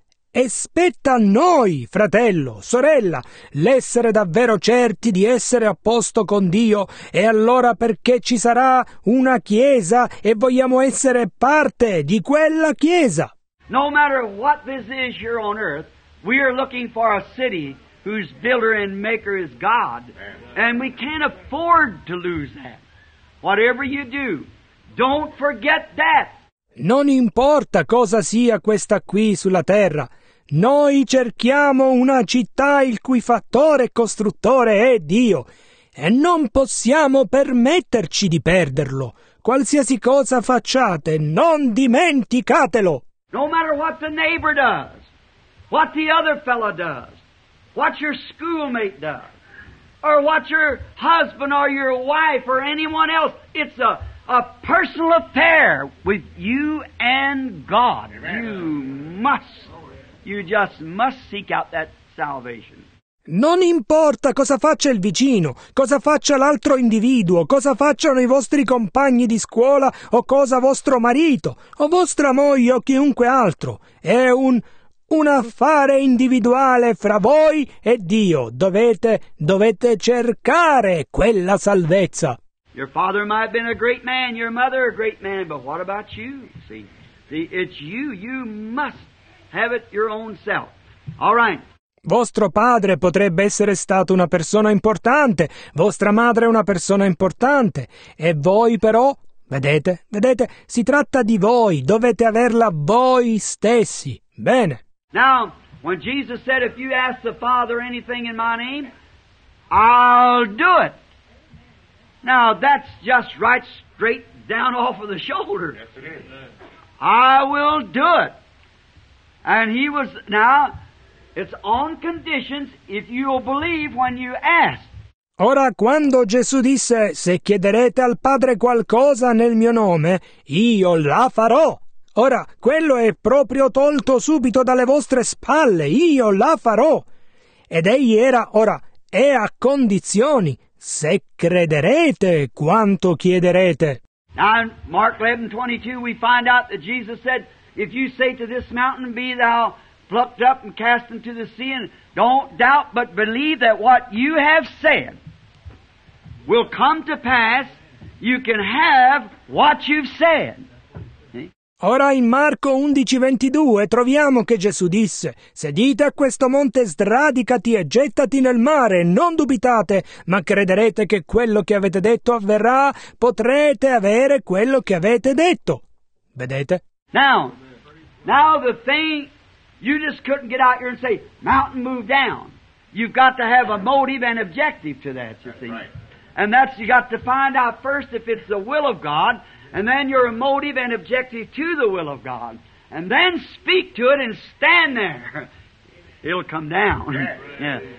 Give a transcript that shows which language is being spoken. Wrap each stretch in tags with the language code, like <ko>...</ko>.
<it>E spetta a noi, fratello, sorella, l'essere davvero certi di essere a posto con Dio, e allora perché ci sarà una chiesa e vogliamo essere parte di quella chiesa?</it> <en>No matter what this is here on earth, we are looking for a city whose builder and maker is God, and we can't afford to lose that. Whatever you do, don't forget that.</en> <it>Non importa cosa sia questa qui sulla terra. Noi cerchiamo una città il cui fattore e costruttore è Dio, e non possiamo permetterci di perderlo. Qualsiasi cosa facciate, non dimenticatelo.</it> <en>No matter what the neighbor does, what the other fellow does, what your schoolmate does, or what your husband or your wife or anyone else, it's a personal affair with you and God. Amen. You must. You just must seek out that salvation.</en> <it>Non importa cosa faccia il vicino, cosa faccia l'altro individuo, cosa facciano i vostri compagni di scuola o cosa vostro marito o vostra moglie o chiunque altro. È un affare individuale fra voi e Dio. Dovete cercare quella salvezza.</it> <en>Your father might have been a great man, your mother a great man, but what about you? See, it's you. You must. Have it your own self. All right.</en> <it>Vostro padre potrebbe essere stato una persona importante, vostra madre una persona importante, e voi però, vedete, si tratta di voi, dovete averla voi stessi. Bene.</it> <en>Now, when Jesus said, if you ask the Father anything in my name, I'll do it. Now, that's just right straight down off of the shoulder. Yes, it is. I will do it. And he was, now, it's on conditions if you'll believe when you ask.</en> <it>Ora, quando Gesù disse, se chiederete al Padre qualcosa nel mio nome, io la farò. Ora, quello è proprio tolto subito dalle vostre spalle, io la farò. Ed egli era, ora, è a condizioni, se crederete quanto chiederete.</it> <en>Now, in Mark 11:22, we find out that Jesus said, if you say to this mountain, be thou plucked up and cast into the sea, and don't doubt, but believe that what you have said will come to pass, you can have what you've said.</en> <it>Ora in Marco 11:22 troviamo che Gesù disse: «Se dite a questo monte sradicati e gettati nel mare, non dubitate, ma crederete che quello che avete detto avverrà, potrete avere quello che avete detto». Vedete?</it> <en>Now the thing you just couldn't get out here and say mountain move down. You've got to have a motive and objective to that, you see. And that's you got to find out first if it's the will of God. And then your motive and objective to the will of God. And then speak to it and stand there. It'll come down. Yeah.</en>